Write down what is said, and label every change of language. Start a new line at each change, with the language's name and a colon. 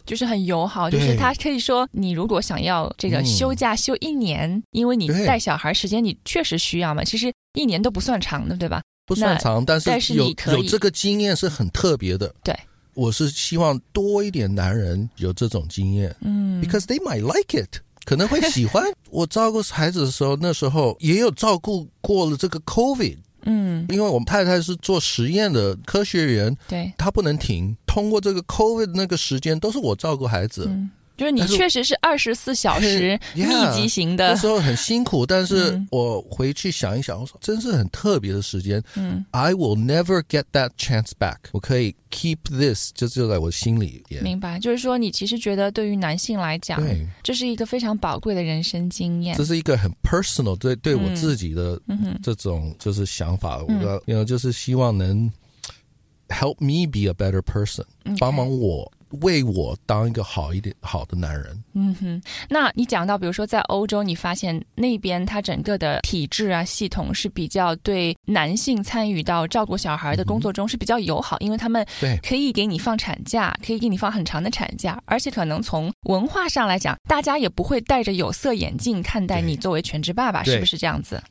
Chinese: 就是很友好，就是他可以说你如果想要这个休假休一年、嗯、因为你带小孩时间你确实需要嘛，其实一年都不算长的，对吧？不算长，但是但是你可以有这个经验是很特别的。对，我是希望多一点男人有这种经验，嗯，
English: because they might like it，
Chinese: 可能会喜欢。我照顾孩子的时候，那时候也有照顾过了这个 COVID，嗯，因为我们太太是做实验的科学员，对，她不能停，通过这个 COVID 那个时间都是我照顾孩子、嗯、就是你确实是24小时密集型的 yeah, 那时候很辛苦，但是我回去想一想，我说真是很特别的时间、嗯、
English: I will never get that chance back，
Chinese: 我可以
English: keep this
Chinese: 就在我心里、
English: yeah、
Chinese: 明白，就是说你其实觉得对于男性来讲这是一个非常宝贵的人生经验，这是一个很 personal 对我自己的这种就是想法、嗯、我觉得
English: you know,
Chinese: 就是希望能
English: Help me be a better person、 okay.
Chinese: 帮忙我为我当一个好一点好的男人。嗯哼，那你讲到比如说在欧洲你发现那边它整个的体制啊系统是比较对男性参与到照顾小孩的工作中是比较友好、嗯、因为他们可以给你放产假，可以给你放很长的产假，而且可能从文化上来讲大家也不会戴着有色眼镜看待你作为全职爸爸，是不是这样子？